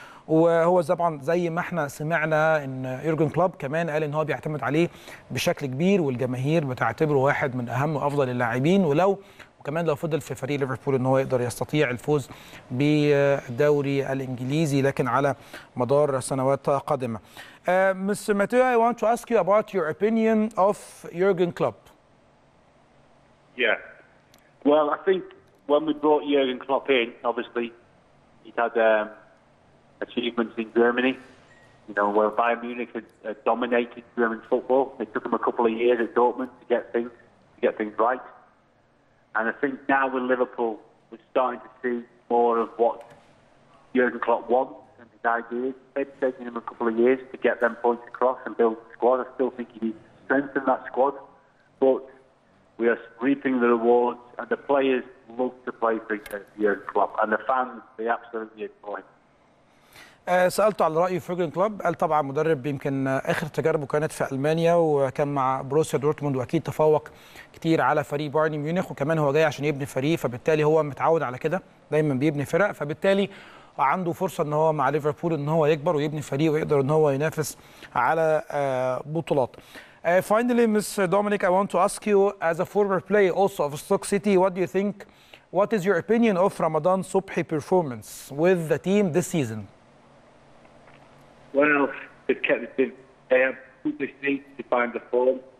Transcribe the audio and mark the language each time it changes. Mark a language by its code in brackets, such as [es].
[ar] وهو طبعا زي ما احنا سمعنا ان يورجن كلوب كمان قال ان هو بيعتمد عليه بشكل كبير، والجماهير بتعتبره واحد من اهم وافضل اللاعبين، ولو وكمان لو فضل في فريق ليفربول ان هو يقدر يستطيع الفوز بالدوري الانجليزي لكن على مدار سنوات قادمه. [en] Mister Mateo, I want to ask you about your opinion of Jurgen Klopp. Yeah. Well, I think when we brought Jurgen Klopp in, obviously he had achievements in Germany, where Bayern Munich had dominated German football. It took them a couple of years at Dortmund to get things right. And I think now with Liverpool, we're starting to see more of what Jurgen Klopp wants and his ideas. Maybe taking him a couple of years to get them points across and build the squad. I still think he needs to strengthen that squad. But we are reaping the rewards, and the players love to play for Jurgen Klopp. And the fans, they absolutely adore him. [ar] سالته على رايه في يورجن كلوب. قال طبعا مدرب يمكن اخر تجاربه كانت في المانيا وكان مع بروسيا دورتموند، واكيد تفوق كتير على فريق بايرن ميونخ، وكمان هو جاي عشان يبني فريق، فبالتالي هو متعود على كده، دايما بيبني فرق، فبالتالي وعنده فرصه ان هو مع ليفربول ان هو يكبر ويبني فريق ويقدر ان هو ينافس على بطولات. [en] Finally, Mr. Dominic, I want to ask you, as a former player also of Stoke City, what do you think, what is your opinion of Ramadan Subhi performance with the team this season? Well, they've kept the team. They have put the seat to find the form.